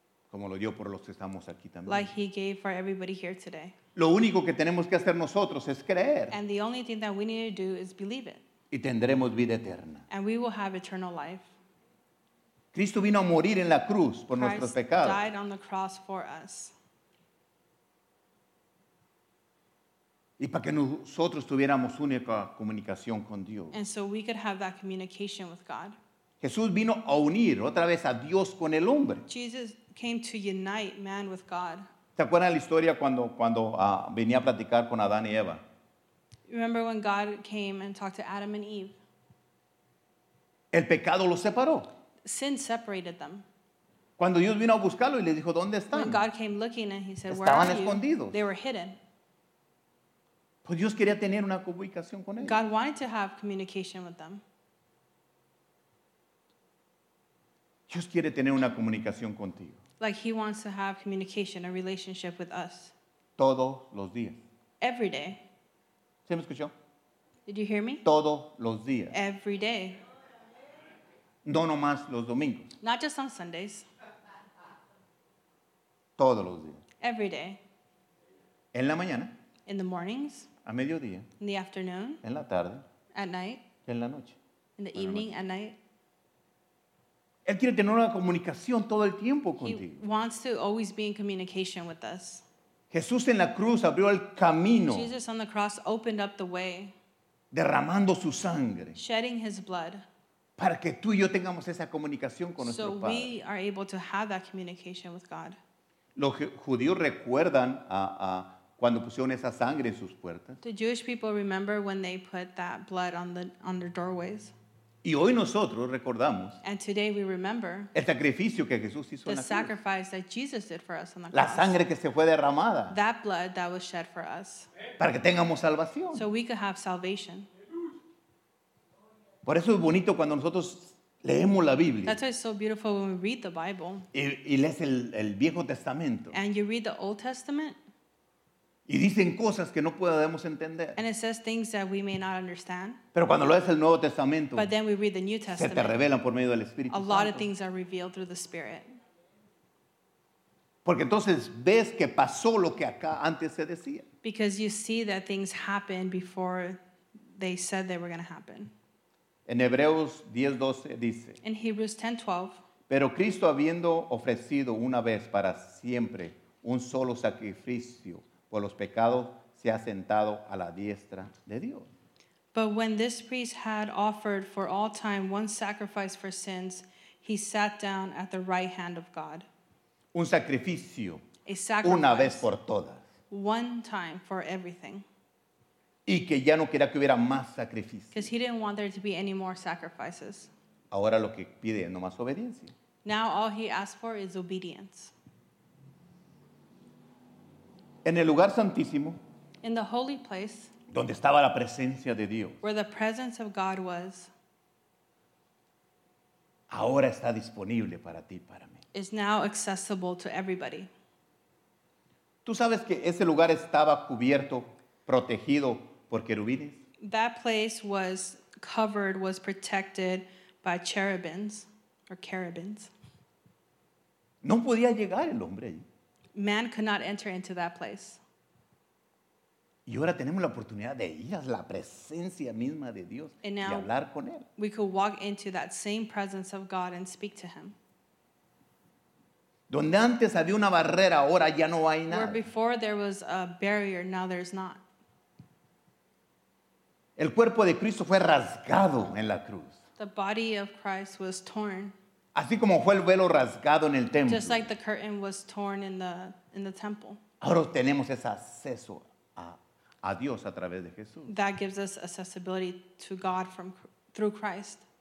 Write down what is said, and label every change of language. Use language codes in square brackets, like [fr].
[es] Como lo dio por los que estamos aquí también. [en] Like he gave for everybody here today. [es] Lo único que tenemos que hacer nosotros es creer. [en] And the only thing that we need to do is believe it. [es] Y tendremos vida eterna. [en] And we will have eternal life. [es] Cristo vino a morir en la cruz por [en] Christ [es] nuestros pecados. [en] Died on the cross for us. [es] Y para que nosotros tuviéramos única comunicación con Dios. [en] And so we could have that communication with God. [es] Jesús vino a unir otra vez a Dios con el hombre. [en] Jesus came to unite man with God. [es] ¿Te acuerdas la historia cuando venía a platicar con Adán y Eva? [en] Remember when God came and talked to Adam and Eve? [es] El pecado los separó. [en] Sin separated them. [es] Cuando Dios vino a buscarlo y le dijo, ¿dónde están? [en] When God came looking and he said, [es] estaban [en] where are [es] escondidos. [en] You? They were hidden. [es] Pues Dios quería tener una comunicación con ellos. [en] God wanted to have communication with them. [es] Dios quiere tener una comunicación contigo. [en] Like he wants to have communication, a relationship with us. [es] Todos los días. [en] Every day. [es] ¿Sí me escuchó? [en] Did you hear me? [es] Todos los días. [en] Every day. [es] No nomás los domingos. [en] Not just on Sundays. [es] Todos los días. [en] Every day. [es] En la mañana. [en] In the mornings. [es] A mediodía. [en] In the afternoon. [es] En la tarde. [en] At night. [es] En la noche. [en] In the evening, at night. [es] Él quiere tener una comunicación todo el tiempo contigo. [en] He wants to always be in communication with us. [es] Jesús en la cruz abrió el camino. [en] Jesus on the cross opened up the way. [es] Derramando su sangre. [en] Shedding his blood. [es] Para que tú y yo tengamos esa comunicación con nuestro Padre. [en] So we are able to have that communication with God. [es] Los judíos recuerdan a cuando pusieron esa sangre en sus puertas. [en] The Jewish people remember when they put that blood on their doorways. [es] Y hoy nosotros recordamos [en] and today we remember [es] el sacrificio que Jesús hizo [en] the [es] en la [en] sacrifice That Jesus did for us on the cross. [es] La sangre que se fue derramada. [en] That blood that was shed for us. [es] Para que tengamos salvación. [en] So we could have salvation. [es] Por eso es bonito cuando nosotros leemos la Biblia. [en] That's why it's so beautiful when we read the Bible. [es] Y lees el Viejo Testamento. [en] And you read the Old Testament. [es] Y dicen cosas que no podemos entender. [en] And it says things that we may not understand. [es] Pero cuando lees el Nuevo Testamento. [en] But then we read the New Testament. [es] Se te revelan por medio del Espíritu Santo. [en] A lot of things are revealed through the Spirit. [es] Porque entonces ves que pasó lo que acá antes se decía. [en] Because you see that things happened before they said they were going to happen. [es] En Hebreos 10:12 dice. [en] In Hebrews 10:12. [es] Pero Cristo habiendo ofrecido una vez para siempre un solo sacrificio. Por los pecados se ha sentado a la diestra de Dios. [en] But when this priest had offered for all time one sacrifice for sins, he sat down at the right hand of God. [es] Un sacrificio. [en] A sacrifice. [es] Una vez por todas. [en] One time for everything. [es] Y que ya no quería que hubiera más sacrificios. [en] Because he didn't want there to be any more sacrifices. [es] Ahora lo que pide es nomás obediencia. [en] Now all he asks for is obedience. [es] En el lugar santísimo, [en] in the holy place, [es] donde estaba la presencia de Dios, [en] where the presence of God was, [es] ahora está disponible para ti, para mí. [en] Is now accessible to everybody. [es] ¿Tú sabes que ese lugar estaba cubierto, protegido por querubines? [en] That place was covered, was protected by cherubins or carabins. [es] No podía llegar el hombre allí. [en] Man could not enter into that place. [es] Y ahora tenemos la oportunidad de ir a la presencia misma de Dios y hablar con él. [en] We could walk into that same presence of God and speak to him. [es] Donde antes había una barrera, ahora ya no hay nada. [en] Where before there was a barrier, now there's not. [es] El cuerpo de Cristo fue rasgado en la cruz. [en] The body of Christ was torn. [es] Así como fue el velo rasgado en el templo. [en] Just like the curtain was torn in the temple. [es] Ahora tenemos ese acceso a Dios a través de Jesús. [en] That gives us accessibility to God from through Christ.